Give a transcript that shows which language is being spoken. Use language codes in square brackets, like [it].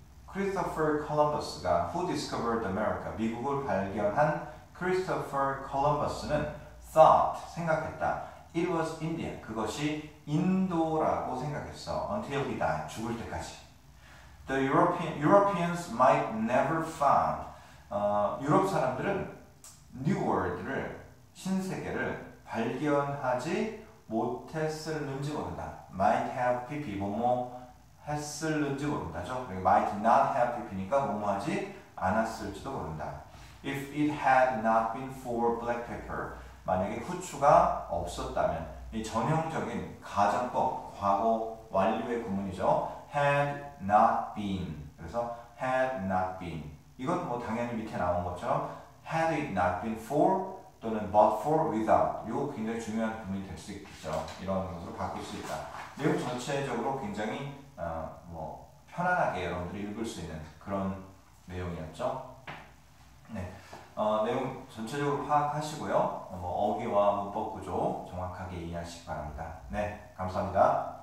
[ko] Christopher Columbus가 [en] who discovered America, [ko] 미국을 발견한 Christopher Columbus는 [en] thought, [ko] 생각했다. [en] It was India. [ko] 그것이 인도라고 생각했어. [en] Until he died. [ko] 죽을 때까지. [en] The Europeans might never find. [ko] 유럽 사람들은 New World를, 신세계를 발견하지 못했을는지 모른다. Might have pp, 뭐뭐 했을는지 모른다죠. Might not have pp니까 뭐뭐 하지 않았을지도 모른다. [en] If it had not been for black pepper, [ko] 만약에 후추가 없었다면, 이 전형적인 가정법, 과거 완료의 구문이죠. [en] Had not been. [ko] 그래서 had not been. 이건 뭐 당연히 밑에 나온 것처럼 [en] had it not been for [ko] 또는 [en] but for without. [ko] 이거 굉장히 중요한 부분이 될 수 있겠죠. 이런 것으로 바꿀 수 있다. 내용 전체적으로 굉장히 뭐 편안하게 여러분들이 읽을 수 있는 그런 내용이었죠. 네. 내용 전체적으로 파악하시고요. 어기와 문법 구조 정확하게 이해하시기 바랍니다. 네. 감사합니다.